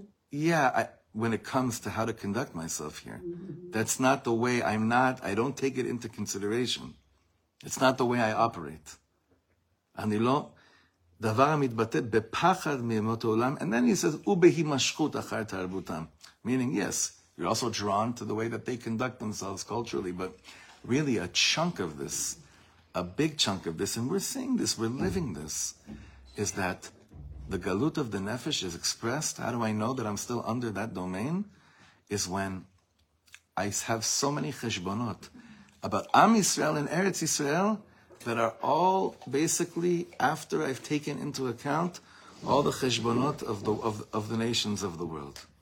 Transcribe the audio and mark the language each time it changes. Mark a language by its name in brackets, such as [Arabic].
[English] Yeah, when it comes to how to conduct myself here. Mm-hmm. That's not the way I'm not... I don't take it into consideration. It's not the way I operate. [Hebrew] אני לא... דבר המתבטא בפחד מימות העולם. [English] And then he says, [Hebrew] ובהימשכות אחר תרבותם. [English] Meaning, yes, you're also drawn to the way that they conduct themselves culturally, but really a chunk of this, a big chunk of this, and we're seeing this, we're living this, is that the galut of the nefesh is expressed, how do I know that I'm still under that domain, is when I have so many cheshbonot about Am Yisrael and Eretz Yisrael that are all basically after I've taken into account all the cheshbonot of the nations of the world.